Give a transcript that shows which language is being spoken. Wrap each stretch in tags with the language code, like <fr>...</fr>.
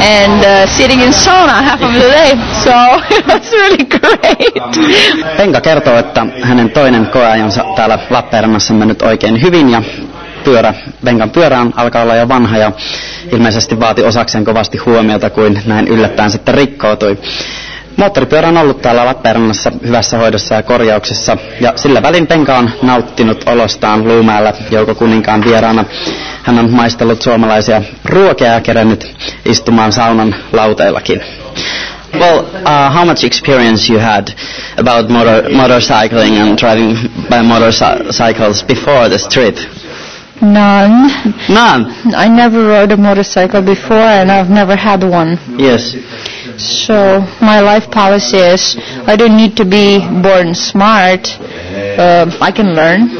<en>And sitting in sauna half of the day. So that's really great.</en> <fi>Penka kertoo, että hänen toinen koeajonsa täällä Lappeenrannassa on mennyt oikein hyvin ja Venkan pyörään alkaa olla jo vanha ja ilmeisesti vaati osakseen kovasti huomiota, kuin näin yllättäen sitten rikkoutui. Moottoripyörä on ollut täällä Lappeenrannassa hyvässä hoidossa ja korjauksessa, ja sillä välin Penka on nauttinut olostaan Luumäellä joukokuninkaan vieraana. Hän on maistellut suomalaisia ruokia ja kerännyt istumaan saunan lauteillakin.</fi> <en>Well, how much experience you had about motorcycling and driving by motorcycles before this trip? None. I never rode a motorcycle before, and I've never had one. Yes. So my life policy is I don't need to be born smart. I can learn.</en>